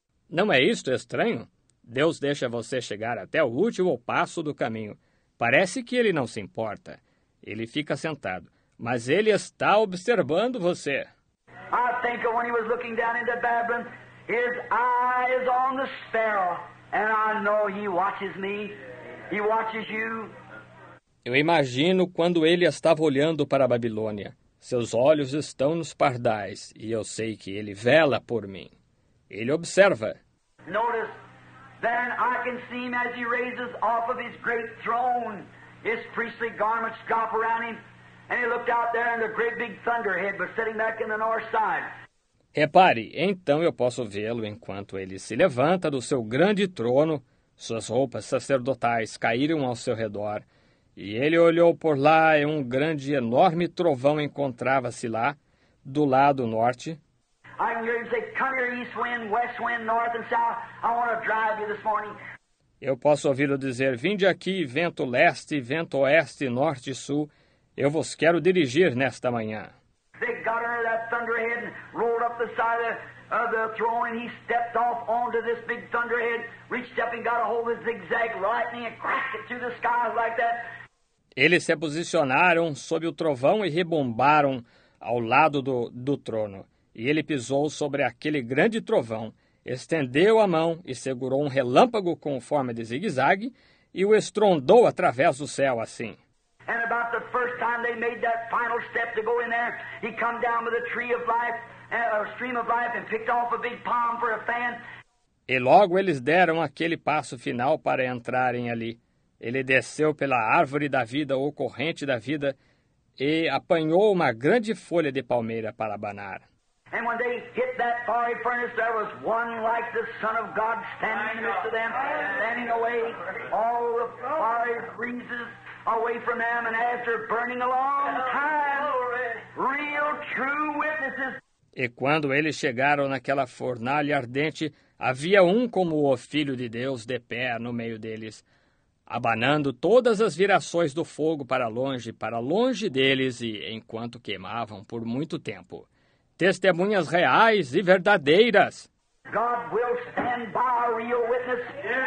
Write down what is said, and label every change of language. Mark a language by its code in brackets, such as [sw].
[pt] Não é isto estranho? Deus deixa você chegar até o último passo do caminho. Parece que ele não se importa. Ele fica sentado. Mas ele está observando você. [en] I think of when he was looking down into Babylon, his eyes on the sparrow, and I know he watches me. He watches you. [pt] Eu imagino quando ele estava olhando para a Babilônia. Seus olhos estão nos pardais, e eu sei que ele vela por mim. Ele observa. [en] Notice, then I can see him as he raises off of his great throne. His priestly garments drop around him. And he looked out there and the great big thunderhead was sitting back in the north side. [pt] Repare, então eu posso vê-lo enquanto ele se levanta do seu grande trono, suas roupas sacerdotais caíram ao seu redor, e ele olhou por lá e um grande enorme trovão encontrava-se lá, do lado norte. [en] I can hear him say, come here east wind, west wind, north and south, I want to drive you this morning. [pt] Eu posso ouvi-lo dizer, vinde aqui, vento leste, vento oeste, norte e sul, eu vos quero dirigir nesta manhã. [en] They got under that thunderhead and rolled up the side of the throne and he stepped off onto this big thunderhead, reached up and got a hold of the zigzag lightning and cracked it through the sky like that. [pt] Eles se posicionaram sob o trovão e rebombaram ao lado do trono. E ele pisou sobre aquele grande trovão, estendeu a mão e segurou um relâmpago com forma de zigzag e o estrondou através do céu assim. [en] And about the first time they made that final step to go in there, he come down with a tree of life, a stream of life, and picked off a big palm for a fan. [pt] E logo eles deram aquele passo final para entrarem ali. Ele desceu pela árvore da vida, ou corrente da vida, e apanhou uma grande folha de palmeira para abanar. [en] And when they hit that fiery furnace, there was one like the Son of God standing in the midst of them, standing away all the fiery breezes. Away from them, and after burning a long time, real true witnesses. [pt] E quando eles chegaram naquela fornalha ardente, havia um como o Filho de Deus de pé no meio deles, abanando todas as virações do fogo para longe deles, e enquanto queimavam por muito tempo. Testemunhas reais e verdadeiras. [en] God will stand by a real witness.